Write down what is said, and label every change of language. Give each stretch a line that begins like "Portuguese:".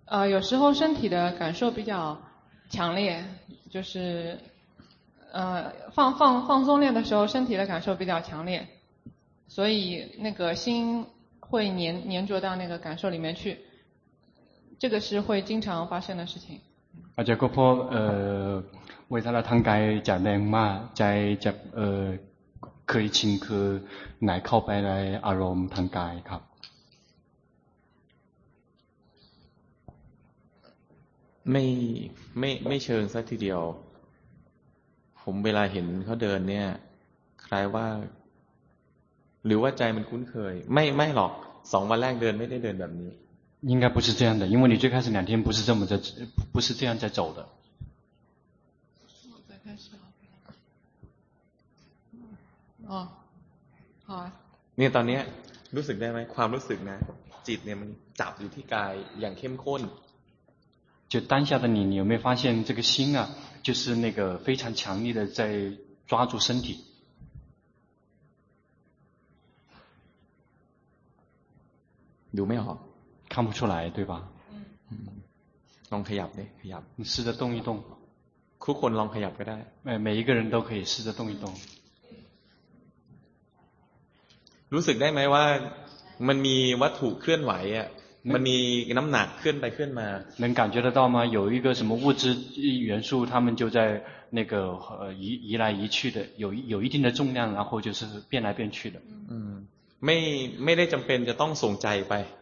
Chinese: 有时候身体的感受比较强烈就是放松练的时候身体的感受比较强烈所以那个心会粘着到那个感受里面去这个是会经常发生的事情
Thai: อาจารย์ก็พบเวลาเราทางกายจะแรงมากใจจะเคยชินคือไหนเข้าไปในอารมณ์ทางกายครับ ไม่เชิงสักทีเดียวผมเวลาเห็นเขาเดินเนี่ยคล้ายว่าหรือว่าใจมันคุ้นเคยไม่หรอก2วันแรกเดินไม่ได้เดินแบบนี้
Chinese: 应该不是这样的因为你最开始两天不是这样在走的最开始好
Thai: เนี่ยตอนนี้รู้สึกได้ไหมความรู้สึกนะจิตเนี่ยมันจับอยู่ที่กายอย่างเข้มข้น
Chinese: 就当下的你有没有发现这个心啊就是那个非常强力的在抓住身体有没有看不出来对吧
Thai: ลองขยับดิขยับ
Chinese: 你试着动一动
Thai: ทุกคนลองขยับก็ได้
Chinese: 每一个人都可以试着动一动
Thai: รู้สึกได้ไหมว่ามันมีวัตถุเคลื่อนไหวอ่ะมันมีน้ำหนักเคลื่อนไปเคลื่อนมา
Chinese: 能感觉得到吗有一个什么物质元素它们就在那个移来移去的有一定的重量然后就是变来变去的
Thai: ไม่ได้จำเป็นจะต้องส่งใจไป